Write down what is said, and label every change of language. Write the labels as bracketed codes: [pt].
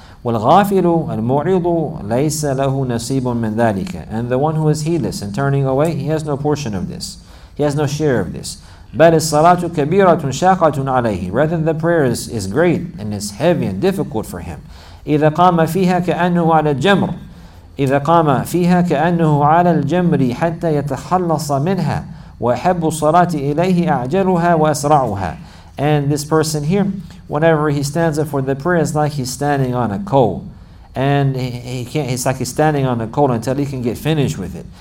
[ar] وَالْغَافِلُ الْمُعِضُ لَيْسَ لَهُ نَصِيبٌ مِّنْ ذَلِكَ. [en] And the one who is heedless and turning away, he has no portion of this. He has no share of this. [ar] بَلِ الصَّلَاةُ كَبِيرَةٌ شَاقَةٌ عَلَيْهِ. [en] Rather, the prayer is great and it's heavy and difficult for him. [ar] إِذَا قَامَ فِيهَا كَأَنُّهُ عَلَى الْجَمْرِ. إذا قام فيها كأنه على الجمر حتى يتخلص منها وأحب الصلاة إليه أعجلها وأسرعها. [en] And this person here, whenever he stands up for the prayer, it's like he's standing on a coal. And he's standing on a coal until he can get finished with it.